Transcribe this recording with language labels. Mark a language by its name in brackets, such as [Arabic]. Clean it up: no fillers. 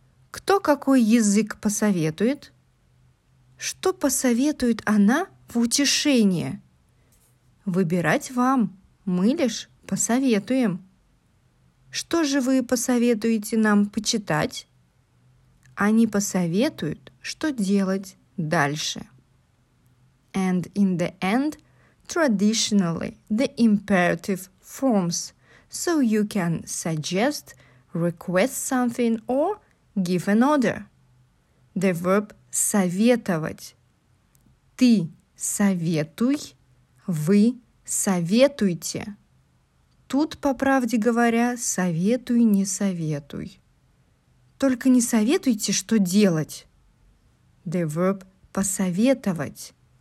[Russian] Кто какой язык посоветует? Что посоветует она в утешение? Выбирать вам. Мы лишь посоветуем. Что же вы посоветуете нам почитать? Они посоветуют, что делать дальше. [English] And in the end, traditionally, the imperative forms, so you can suggest, request something or give an order. The verb советовать. [Russian] Ты советуй, вы советуйте. Тут, по правде говоря, советуй, не советуй. Только не советуйте, что делать. [English] The verb [Russian] посоветовать.